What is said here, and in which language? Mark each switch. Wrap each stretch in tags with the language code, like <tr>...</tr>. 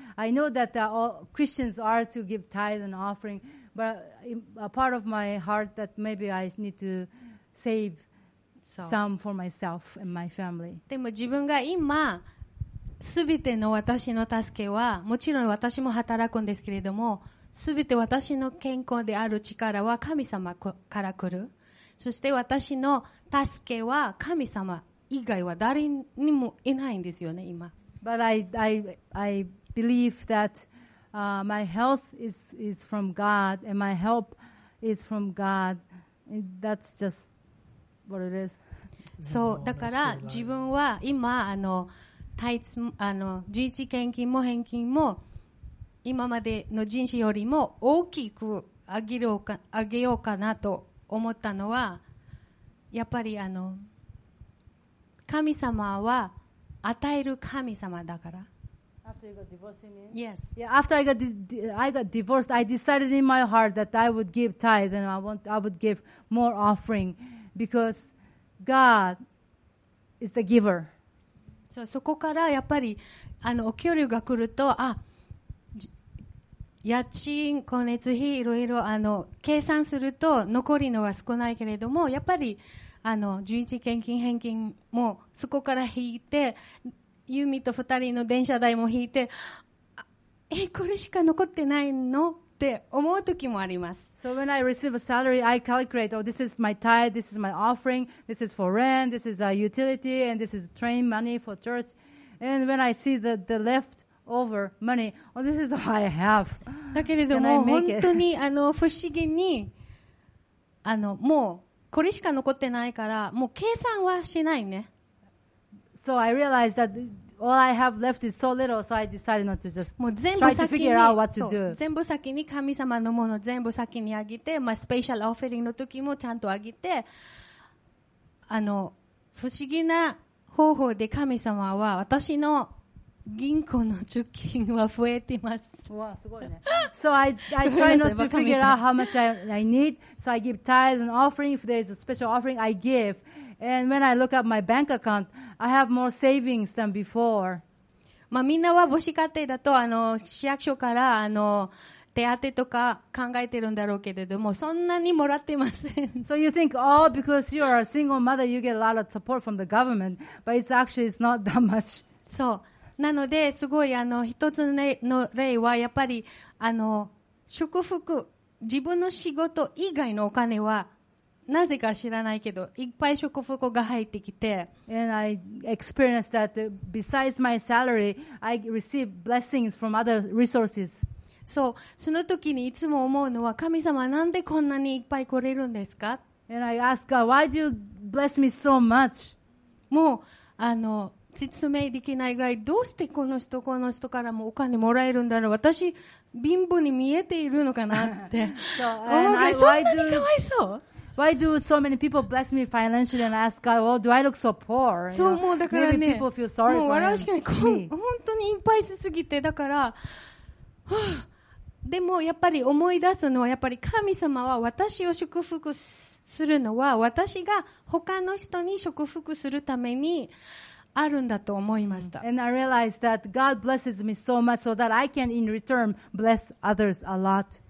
<en>I know that all Christians are to give tithe and offering, but a part of my heart that maybe I need to save some for myself and my family.</en> <ja>でも自分が今全ての私の助けはもちろん私も働くんですけれども全て私の健康である力は神様から来るそして私の助けは神様以外は誰にもいないんですよね今</ja> <en>But I believe that my health is from God and my help is from God that's just what it is</en> <ja>そうだから自分は今自治献金も返金も今までの人生よりも大きく上げようかなと思ったのはやっぱり神様は与える神様だから</ja> <en>After you got divorced, you mean? Yes. Yeah, after I got divorced, I decided in my heart that I would give tithe and I would give more offering because God is the giver.</en> <ja>そこからやっぱりお給料が来るとあ家賃、光熱費いろいろ計算すると残りのは少ないけれどもやっぱり十一献金返金もそこから引いてユミと二人の電車代も引いてこれしか残ってないのって思う時もあります。</ja> <en>So when I receive a salary, I calculate, oh, this is my tithe, this is my offering, this is for rent, this is a utility, and this is train money for church. And when I see the leftover money, oh, this is all I have.</en> <ja>だけれども、本当に不思議に、もうこれしか残ってないから、もう計算はしないね。</ja> <en>So I realized that all I have left is so little, so I decided not to just try to figure out what to do.</en> <ja>全部先に神様のもの全部先にあげて、まあ、スペシャルオフェリングの時もちゃんとあげて、不思議な方法で神様は私の銀行の貯金は増えています。わ、すごいね。</ja> <en>So I try not to figure out how much I need, so I give tithes and offering. If there is a special offering, I give. And when I look at my bank account, I have more savings than before.</en> <ja>まあみんなは母子家庭だと市役所から手当とか考えてるんだろうけれども、そんなにもらってません。</ja> <en>So you think, oh, because you are a single mother, you get a lot of support from the government, but it's not that much.</en> <ja>そう。なのですごい一つの例はやっぱり祝福自分の仕事以外のお金は。なぜか知らないけどいっぱい祝福が入ってきて</ja> <en>And I experienced that besides my salary I received blessings from other resources</en> <ja>そう、その時にいつも思うのは神様なんでこんなにいっぱい来れるんですか</ja> <en>And I ask God, why do you bless me so much?</en> <ja>もう説明できないぐらいどうしてこの人からもお金もらえるんだろう私貧乏に見えているのかなってそう、そんなにかわいそう</ja> <en>Why do so many people bless me financially and ask God, oh, do I look so poor?</en> <ja>そう、もうだからね、</ja> <en>Maybe people feel sorry</en> <ja>もう笑うしかない本当にいっぱいしすぎて、だから、でもやっぱり思い出すのは、やっぱり神様は私を祝福するのは、私が他の人に祝福するためにあるんだと思いました。</ja> <en>And I realized that God blesses me so much so that I can in return bless others a lot.</en>